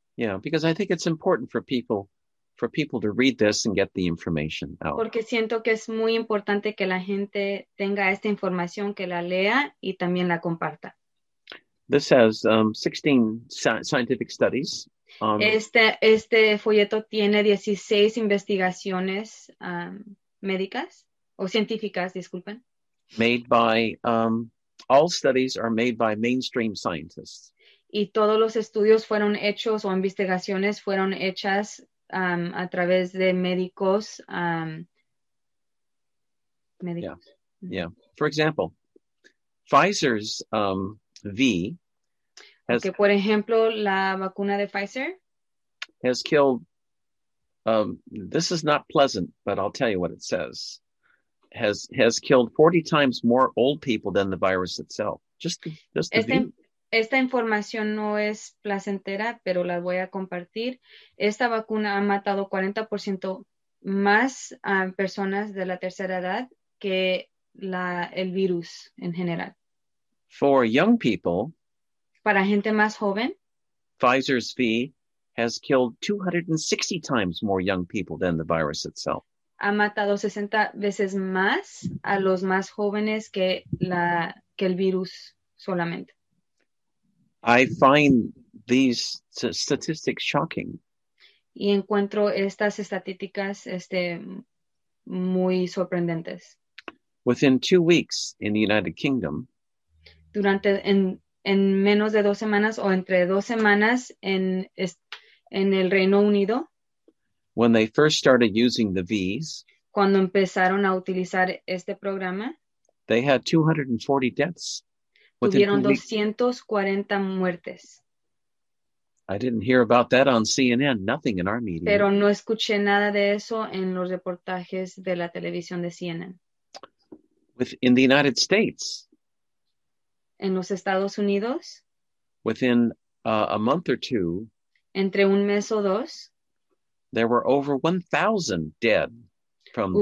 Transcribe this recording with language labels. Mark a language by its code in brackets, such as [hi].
[en] Yeah, because I think it's important for people to read this and get the information out. [es] Porque siento que es muy importante que la gente tenga esta información, que la lea y también la comparta. [en] This has 16 scientific studies. [es] Este folleto tiene 16 investigaciones médicas o científicas, disculpen. [en] Made by all studies are made by mainstream scientists. [es] Y todos los estudios fueron hechos o investigaciones fueron hechas a través de médicos. [en] Yeah. For example, Pfizer's V has, [es] que por ejemplo, la vacuna de Pfizer [en] has killed, this is not pleasant, but I'll tell you what it says, has killed 40 times more old people than the virus itself. Just the V. [es] Esta información no es placentera, pero la voy a compartir. Esta vacuna ha matado 40% más personas de la tercera edad que el virus en general. [en] For young people, [es] para gente más joven, [en] Pfizer's V has killed 260 times more young people than the virus itself. [es] Ha matado 60 veces más a los más jóvenes que el virus solamente. [en] I find these statistics shocking. [es] Y encuentro estas estadísticas muy sorprendentes. [en] Within 2 weeks in the United Kingdom. [es] Durante en menos de 2 semanas o entre 2 semanas en el Reino Unido. [en] When they first started using the Vs. [es] Cuando empezaron a utilizar este programa. [en] They had 240 deaths. [es] Tuvieron 240 muertes. [en] I didn't hear about that on CNN, nothing in our media. [es] Pero no escuché nada de eso en los reportajes de la televisión de CNN. [en] In the United States. [es] En los Estados Unidos. [en] Within a month or two. [es] Entre un mes o dos. [en] There were over 1,000 dead from